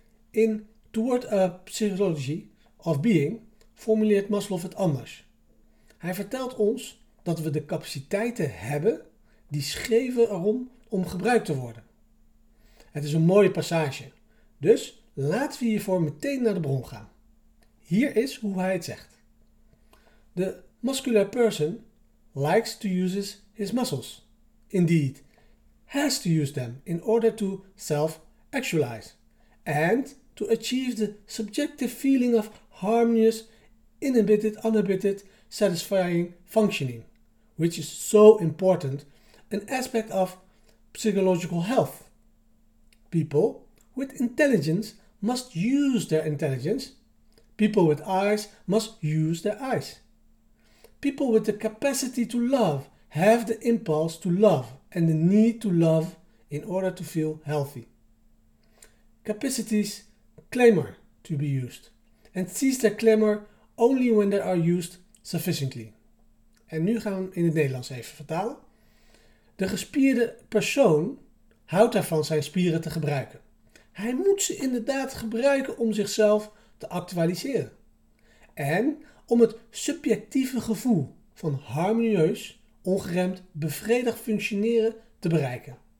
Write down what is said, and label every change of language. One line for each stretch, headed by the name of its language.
Dutch: In Toward a Psychology of Being formuleert Maslow het anders. Hij vertelt ons dat we de capaciteiten hebben die schreven erom om gebruikt te worden. Het is een mooie passage, dus laten we hiervoor meteen naar de bron gaan. Hier is hoe hij het zegt.
English: The muscular person likes to use his muscles. Indeed, has to use them in order to self-actualize and to achieve the subjective feeling of harmonious, inhibited, uninhibited, satisfying functioning, which is so important, an aspect of psychological health. People with intelligence must use their intelligence. People with eyes must use their eyes. People with the capacity to love have the impulse to love and the need to love in order to feel healthy. Capacities clamor to be used and cease their clamor only when they are used sufficiently.
Dutch: En nu gaan we in het Nederlands even vertalen. De gespierde persoon houdt ervan zijn spieren te gebruiken. Hij moet ze inderdaad gebruiken om zichzelf te actualiseren. En om het subjectieve gevoel van harmonieus, ongeremd, bevredigd functioneren te bereiken.